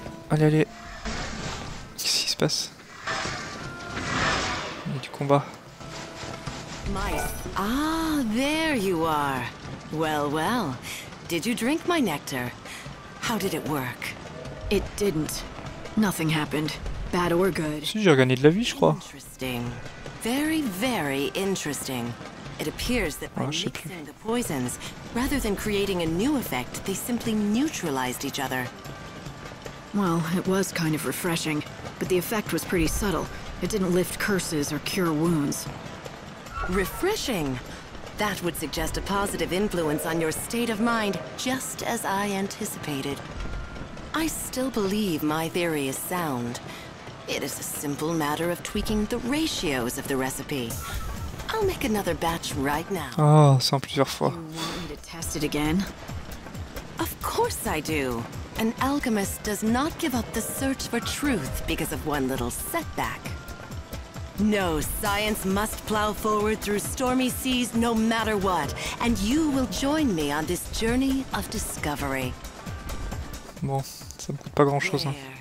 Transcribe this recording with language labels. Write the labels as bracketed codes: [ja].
[fr] Allez, allez. Qu'est-ce qui se passe? Il y a du combat. [en] Ah, there you are. Well, well. Did you drink my nectar? How did it work? It didn't. Nothing happened, bad or good. [fr] Si, j'ai regagné de la vie, je crois. [en] Interesting. Very, very interesting. It appears that by mixing the poisons, rather than creating a new effect, they simply neutralized each other. Well, it was kind of refreshing, but the effect was pretty subtle. It didn't lift curses or cure wounds. Refreshing. That would suggest a positive influence on your state of mind, just as I anticipated. I still believe my theory is sound. It is a simple matter of tweaking the ratios of the recipe. I'll make another batch right now. [fr] Oh, ça en plusieurs fois. [en] You want me to test it again? Of course I do. An alchemist does not give up the search for truth because of one little setback. No, science must plow forward through stormy seas no matter what, and you will join me on this journey of discovery. [fr] Bon, ça me coûte pas grand chose, hein.